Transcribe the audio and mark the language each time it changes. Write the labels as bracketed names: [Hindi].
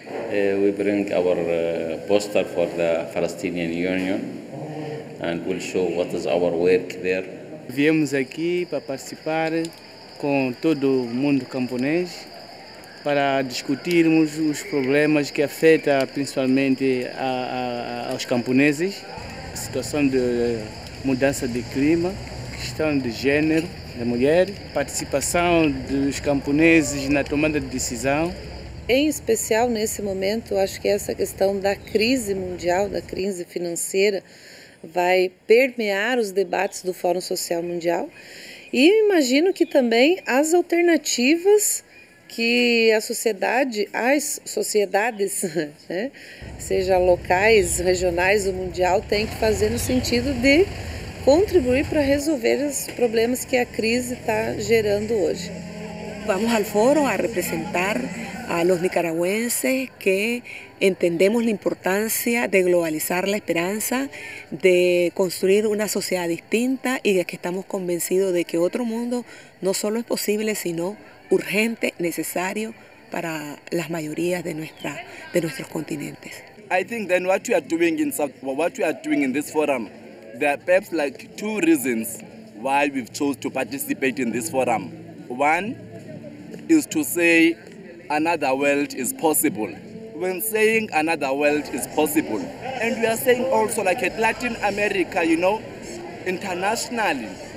[English] We bring our poster for the Palestinian Union and we'll show what is our work there. [Portuguese] Viemos aquí para participar com todo o mundo camponês para discutirmos os problemas que afetam principalmente aos camponeses, a situação de mudança de clima, questão de gênero da mulher, participação dos camponeses na tomada de decisão. Em especial nesse momento, acho que essa questão da crise mundial, da crise financeira, vai permear os debates do Fórum Social Mundial. E imagino que também as alternativas que a sociedade, as sociedades, né, seja locais, regionais ou mundial, tem que fazer no sentido de contribuir para resolver os problemas que a crise está gerando hoje. [Spanish] Vamos ao fórum a representar a los nicaragüenses que entendemos la importancia de globalizar la esperanza, de construir una sociedad distinta y de que estamos convencidos de que otro mundo no solo es posible, sino urgente, necesario para las mayorías de nuestros continentes. [English] I think then what we are doing in this forum, there are perhaps like two reasons why we've chose to participate in this forum. One is to say another world is possible. When saying another world is possible, and we are saying also like at Latin America, you know, internationally,